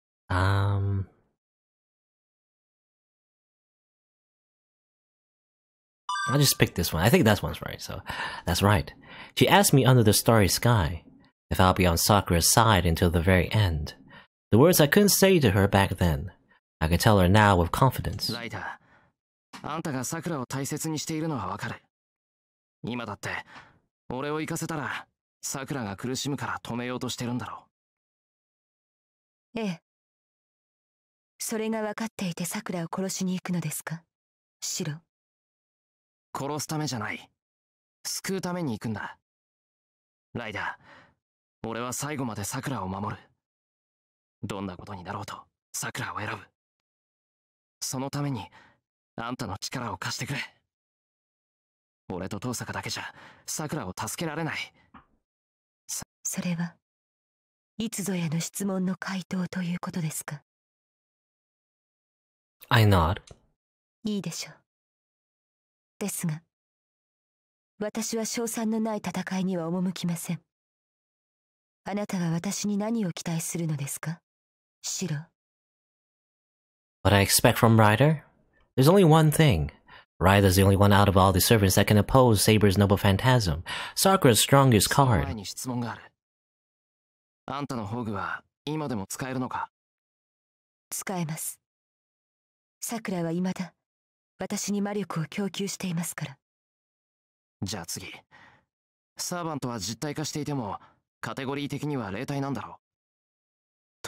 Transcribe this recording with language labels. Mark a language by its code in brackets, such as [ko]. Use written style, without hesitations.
[en] I'll just pick this one. I think that one's right, so that's right. She asked me under the starry sky if I'll be on Sakura's side until the very end. The words I couldn't say to her back then, I can tell her now with confidence. Lighter. [ja] あんたがさくらを大切にしているのはわかる。今だって俺を行かせたらさくらが苦しむから止めようとしてるんだろう。ええ。それが分かっていてさくらを殺しに行くのですか、シロ。殺すためじゃない。救うために行くんだ。ライダー、俺は最後までさくらを守る。どんなことになろうとさくらを選ぶ。そのためにあんたの力を貸してくれ。俺と遠坂だけじゃさくらを助けられない。それはいつぞやの質問の回答ということですか。 [en] I nod. [ja] いいでしょう。ですが、私は勝算のない戦いには赴きません。あなたは私に何を期待するのですか、シロ。 [en] What I expect from Ryder? There's only one thing. Ryder's the only one out of all the servants that can oppose Saber's noble phantasm. Sakura's strongest card. [ja] その前に質問がある。あんたの宝具は今でも使えるのか？使えます。サクラは未だ私に魔力を供給していますから。じゃあ次。サーバントは実体化していてもカテゴリー的には霊体なんだろう。